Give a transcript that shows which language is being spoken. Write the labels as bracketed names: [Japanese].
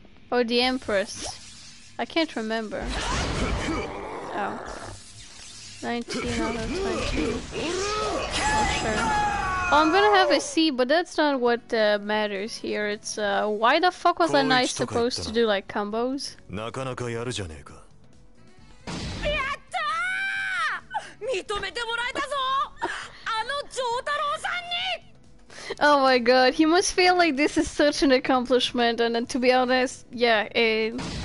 [English] Or the Empress? I can't remember. Oh. 19 out of 20. Not sure. Oh, I'm gonna have a C, but that's not what matters here. It's, why the fuck was I not supposed to do, like, combos? [Japanese] なかなかやるじゃねえか。やったー!認めてもらえたぞ! あのジョータローさんに! [English] Oh my god, he must feel like this is such an accomplishment, and to be honest, yeah, it...